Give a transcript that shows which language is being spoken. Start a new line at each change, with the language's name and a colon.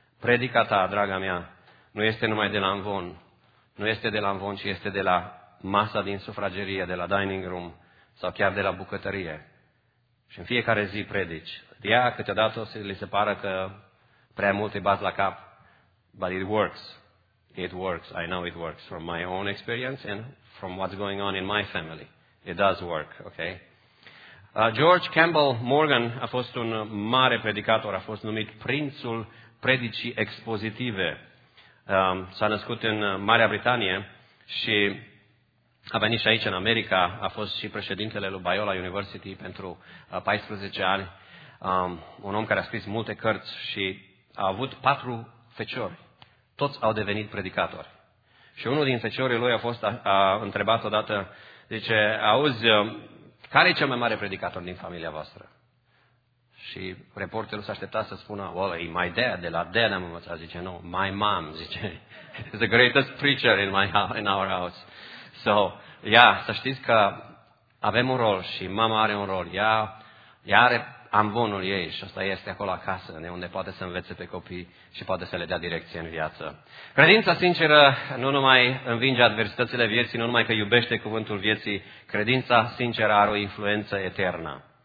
Romanian: Predica ta, draga mea, nu este numai de la amvon. Nu este de la amvon, ci este de la masa din sufragerie, de la dining room sau chiar de la bucătărie. Și în fiecare zi predici. Ea câteodată o să li se pară că prea mult îi bați la cap.
English: But it works. It works. I know it works from my own experience and from what's going on in my family. It does work, okay?
Romanian: George Campbell Morgan a fost un mare predicator. A fost numit prințul predicii expozitive. S-a născut în Marea Britanie și a venit și aici în America. A fost și președintele lui Biola University pentru 14 ani. Un om care a scris multe cărți și a avut 4 feciori. Toți au devenit predicatori. Și unul din feciorii lui a întrebat odată, zice, auzi, care e cel mai mare predicator din familia voastră? Și reporterul s-a așteptat să spună, well, e
English: my dad,
Romanian: de la dad am învățat.
English: Zice, no, my mom, zice, is the greatest preacher in our house. So, yeah,
Romanian: să știți că avem un rol și mama are un rol. Ea are amvonul ei și ăsta este acolo acasă, unde poate să învețe pe copii și poate să le dea direcție în viață. Credința sinceră nu numai învinge adversitățile vieții, nu numai că iubește cuvântul vieții, credința sinceră are o influență eternă.